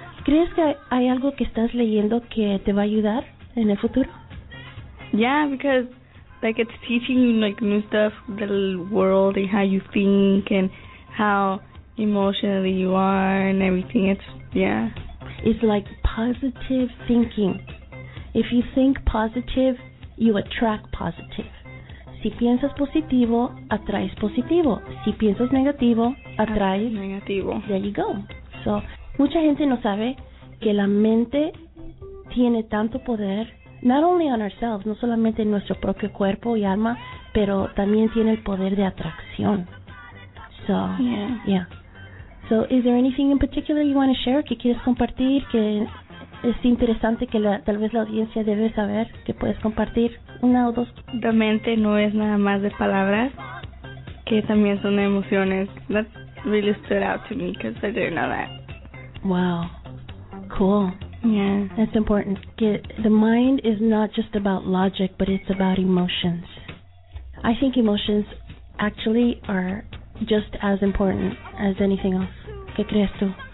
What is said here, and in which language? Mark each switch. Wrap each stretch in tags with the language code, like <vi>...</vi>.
<es>¿Crees que hay algo que estás leyendo que te va a ayudar en el futuro?</es> <en>Yeah, because... Like, it's teaching you, like, new stuff, the world, and how you think, and how emotionally you are, and everything. It's like positive thinking. If you think positive, you attract positive.</en> <es>Si piensas positivo, atraes positivo. Si piensas negativo, atraes negativo.</es> <en>There you go.</en> <es>So, mucha gente no sabe que la mente tiene tanto poder.</es> <en>Not only on ourselves,</en> <es>no solamente en nuestro propio cuerpo y alma, pero también tiene el poder de atracción. So,</es> <en>yeah. Yeah. So, is there anything in particular you want to share,</en> <es>que quieres compartir, que es interesante, que la, tal vez la audiencia debe saber, que puedes compartir una o dos? La mente no es nada más de palabras, que también son emociones.</es> <en>That really stood out to me, because I didn't know that. Wow. Cool. Yeah. That's important. Que the mind is not just about logic, but it's about emotions. I think emotions actually are just as important as anything else.</en> <es>¿Qué crees tú?</es>